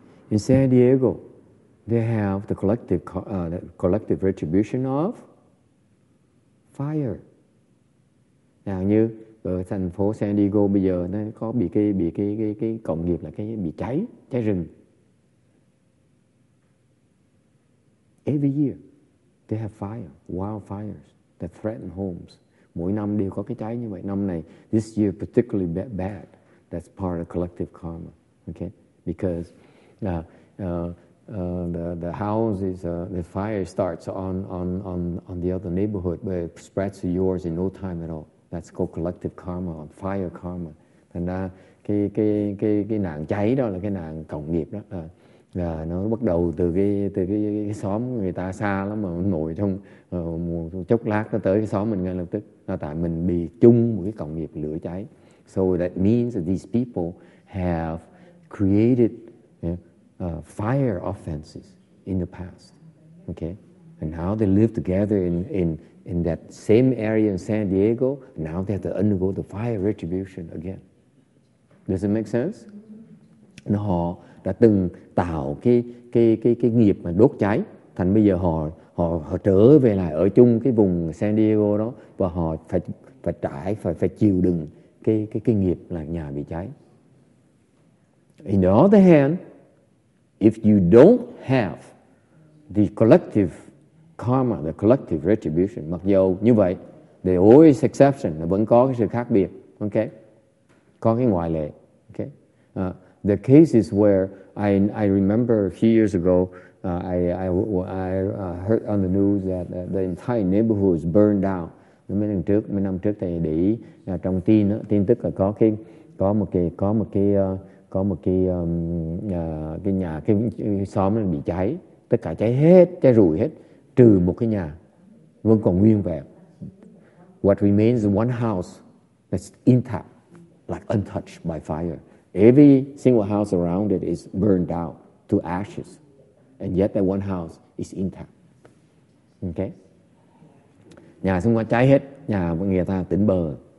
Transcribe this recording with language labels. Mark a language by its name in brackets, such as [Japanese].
[English] In San Diego, they have the collective retribution of fire. [Vietnamese] Nào như ở thành phố San Diego bây giờ nó có bị cái cộng nghiệp là cái bị cháy rừng. [English] Every year they have fire, wildfires that threaten homes. [Vietnamese] Mỗi năm đều có cái cháy như vậy. Năm này, [English] this year particularly bad. That's part of collective karma. Okay? Because the house is the fire starts on the other neighborhood, but it spreads to yours in no time at all. That's called collective karma, or fire karma. [Vietnamese] Thành ra cái nạn cháy đó là cái nạn cộng nghiệp đó. Là nó bắt đầu từ cái xóm người ta xa lắm, mà ngồi trong một chốc lát nó tới cái xóm mình ngay lập tức. Là tại mình bị chung một cái cộng nghiệp lửa cháy. [English] So that means that these people have created fire offenses in the past. Okay? And now they live together in that same area in San Diego. Now they have to undergo the fire retribution again. Does it make sense? [Vietnamese] And họ đã từng tạo cái nghiệp mà đốt cháy, thành bây giờ họ trở về lại ở chung cái vùng San Diego đó, và họ phải chịu đựng cái nghiệp là nhà bị cháy. [English] In the other hand, if you don't have the collective karma, the collective retribution, [Vietnamese] mặc dù như vậy, [English] there are always exceptions, [Vietnamese] nó vẫn có cái sự khác biệt, [English] okay? [Vietnamese] Có cái ngoại lệ, okay? [English] The case is where I remember a few years ago, I heard on the news that the entire neighborhood was burned down. [Vietnamese] Mấy năm trước thầy để ý trong tin đó, tin tức là có một cái nhà cái xóm nó bị cháy, tất cả cháy hết, cháy rụi hết, trừ một cái nhà vẫn còn nguyên vẹn. [English] What remains is one house that's intact, like untouched by fire. Every single house around it is burned down to ashes, and yet that one house is intact. Okay. [Vietnamese] Nhà xung quanh cháy hết, nhà mọi người ta tỉnh bờ.